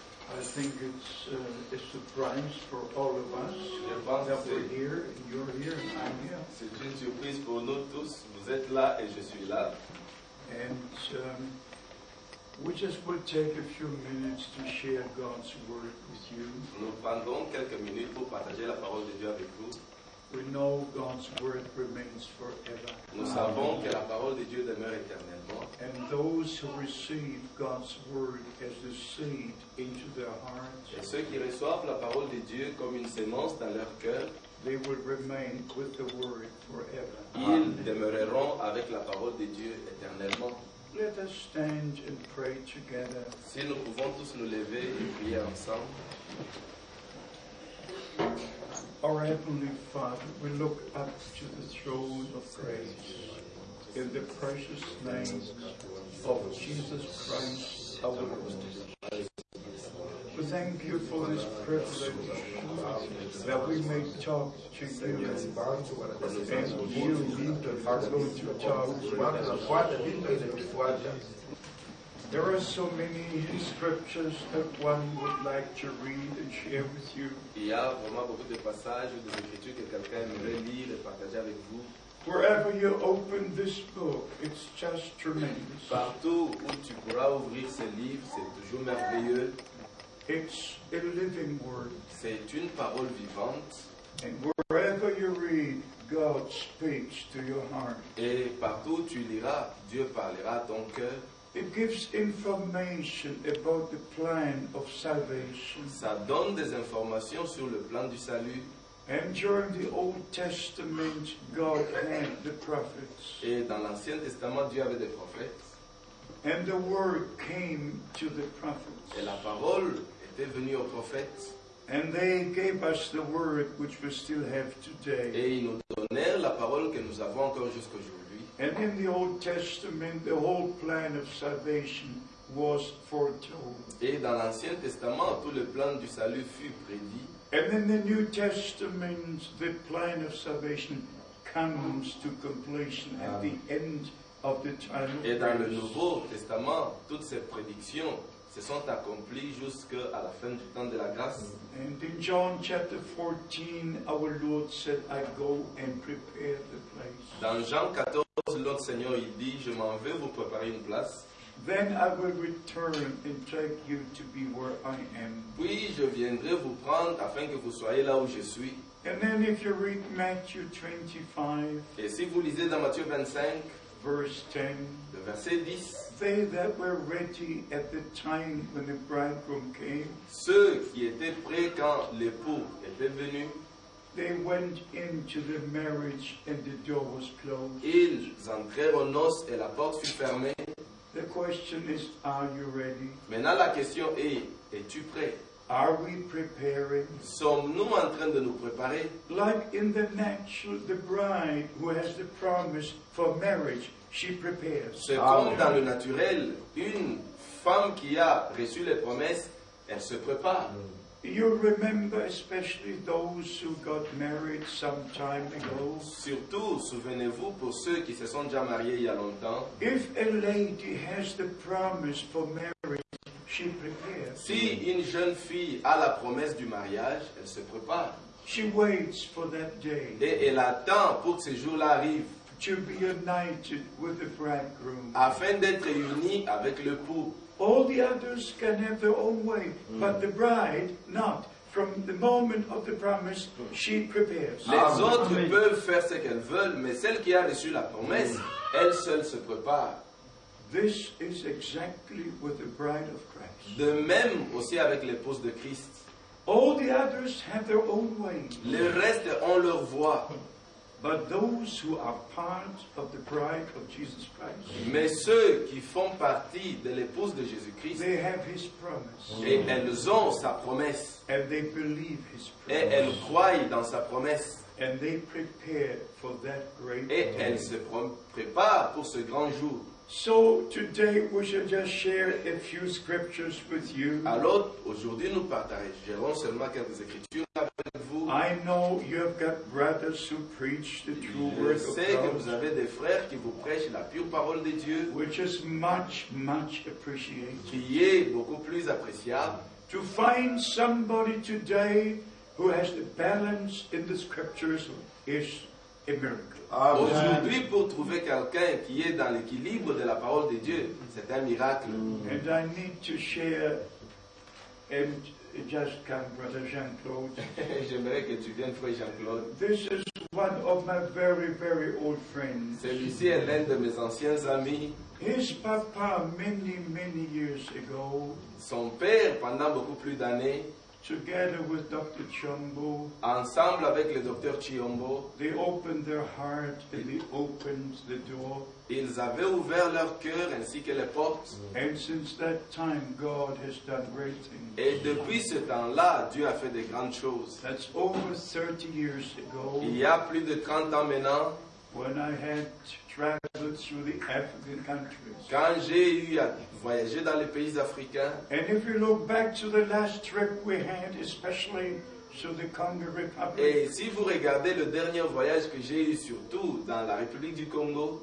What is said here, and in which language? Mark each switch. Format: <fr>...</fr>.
<en>I think it's a surprise for all of us that we're here, and you're here, and I'm here.</en> <fr>C'est une surprise pour nous tous. Vous êtes là et je suis là.</fr> <en>And we just will take a few minutes to share God's word with you.</en> <fr>Nous prendrons quelques minutes pour partager la parole de Dieu avec vous.</fr> <en>We know God's word remains forever.</en> <fr>Nous savons que la parole de Dieu demeure éternellement.</fr> <en>And those who receive God's word as a seed into their hearts.</en> <fr>Et ceux qui reçoivent la parole de Dieu comme une semence dans leur cœur.</fr> <en>They will remain with the word forever.</en> <fr>Ils demeureront avec la parole de Dieu éternellement.</fr> <en>Let us stand and pray together.</en> <fr>Si nous pouvons tous nous lever et prier ensemble.</fr> <en>Our Heavenly Father, we look up to the throne of grace in the precious name of Jesus Christ, our Lord. We thank you for this privilege that we may talk to you and you are going to talk. There are so many scriptures that one would like to read and share with you.</en> <fr>Il y a vraiment beaucoup de passages des écritures que quelqu'un aimerait lire et partager avec vous.</fr> <en>Wherever you open this book, it's just tremendous.</en> <fr>Partout où tu pourras ouvrir ce livre, c'est toujours merveilleux.</fr> <en>It's a living word.</en> <fr>C'est une parole vivante.</fr> <en>And wherever you read, God speaks to your heart.</en> <fr>Et partout tu liras, Dieu parlera à ton cœur.</fr> <en>It gives information about the plan of salvation.</en> <fr>Ça donne des informations sur le plan du salut.</fr> <en>And during the Old Testament, God had the prophets.</en> <fr>Et dans l'Ancien Testament, Dieu avait des prophètes.</fr> <en>And the word came to the prophets.</en> <fr>Et la parole était venue aux prophètes.</fr> <en>And they gave us the word which we still have today.</en> <fr>Et ils nous donnèrent la parole que nous avons encore jusqu'aujourd'hui.</fr> <en>And in the Old Testament, the whole plan of salvation was foretold.</en> <fr>Et dans l'Ancien Testament, tout le plan du salut fut prédit.</fr> <en>And in the New Testament, the plan of salvation comes to completion at the end of the time of</en> <fr>grace. Et dans le Nouveau Testament, toutes ces prédictions se sont accomplies jusqu'à la fin du temps de la grâce.</fr> <en>And in John chapter 14, our Lord said, I go and prepare the place.</en> <fr>Dans Jean 14, l'autre Seigneur, il dit, je m'en vais vous préparer une place.</fr> <en>Then I will return and take you to be where I am.</en> <fr>Puis je viendrai vous prendre afin que vous soyez là où je suis.</fr> <en>And then if you read Matthew 25,</en> <fr>et si vous lisez dans Matthieu 25,</fr> <en>verse 10,</en> <fr>le verset 10,</fr> <en>they that were ready at the time when the bridegroom came,</en> <fr>ceux qui étaient prêts quand l'époux était venu,</fr> <en>they went into the marriage and the door was closed.</en> <fr>Ils entrèrent aux noces et la porte fut fermée.</fr> <en>The question is, are you ready?</en> <fr>Maintenant la question est, es-tu prêt?</fr> <en>Are we preparing?</en> <fr>Sommes-nous en train de nous préparer?</fr> <en>Like in the natural, the bride who has the promise for marriage, she prepares.</en> <fr>C'est comme dans le naturel, une femme qui a reçu les promesses, elle se prépare. Mm.</fr> <en>You remember especially those who got married some time ago.</en> <fr>Surtout, souvenez-vous pour ceux qui se sont déjà mariés il y a longtemps.</fr> <en>If a lady has the promise for marriage, she prepares.</en> <fr>Si une jeune fille a la promesse du mariage, elle se prépare.</fr> <en>She waits for that day.</en> <fr>Et elle attend pour que ce jour-là arrive.</fr> <en>To be united with the bridegroom.</en> <fr>Afin d'être unie avec l'époux.</fr> <en>All the others can have their own way, but the bride, not. From the moment of the promise, she prepares.</en> <fr>Les autres peuvent faire ce qu'elles veulent, mais celle qui a reçu la promesse, elle seule se prépare.</fr> <en>This is exactly with the bride of Christ.</en> <fr>De même aussi avec l'épouse de Christ.</fr> <en>All the others have their own way.</en> <fr>Le reste ont leur voie.</fr> <en>But those who are part of the bride of Jesus Christ.</en> <fr>Mais ceux qui font partie de l'épouse de Jésus-Christ.</fr> <en>They have his promise.</en> <fr>Et elles ont sa promesse.</fr> <en>And they believe his promise.</en> <fr>Et elles croient dans sa promesse.</fr> <en>And they prepare for that great day.</en> <fr>Et elles se préparent pour ce grand jour.</fr> <en>So today we shall just share a few scriptures with you.</en> <fr>Alors aujourd'hui nous partagerons seulement quelques écritures avec vous.</fr> <en>I know you have got brothers who preach the true word of God.</en> <fr>Je sais que vous avez des frères qui vous prêchent la pure parole de Dieu.</fr> <en>Which is much appreciated.</en> <fr>Qui est beaucoup plus appréciable.</fr> <en>To find somebody today who has the balance in the scriptures is a miracle. Amen.</en> <fr>Aujourd'hui, pour trouver quelqu'un qui est dans l'équilibre de la parole de Dieu, c'est un miracle.</fr> <en>And I need to share and just come, Brother Jean-Claude.</en> <fr>J'aimerais que tu viennes, Frère Jean-Claude.</fr> <en>This is one of my very, very old friends.</en> <fr>Celui-ci est l'un de mes anciens amis.</fr> <en>His papa, many, many years ago,</en> <fr>son père, pendant beaucoup plus d'années,</fr> <en>together with Dr. Chiombo,</en> <fr>ensemble avec le Dr. Chiombo,</fr> <en>they opened their heart and they opened the door.</en> <fr>Ils avaient ouvert leur cœur ainsi que les portes.</fr> <en>And since that time, God has done great things.</en> <fr>Et depuis ce temps-là, Dieu a fait de grandes choses.</fr> <en>That's over 30 years ago.</en> <fr>Il y a plus de 30 ans maintenant,</fr> <en>when I had traveled through the African countries.</en> <fr>Quand j'ai eu à voyager dans les pays africains.</fr> <en>And if you look back to the last trip we had, especially to the Congo Republic.</en> <fr>Et si vous regardez le dernier voyage que j'ai eu, surtout dans la République du Congo.</fr>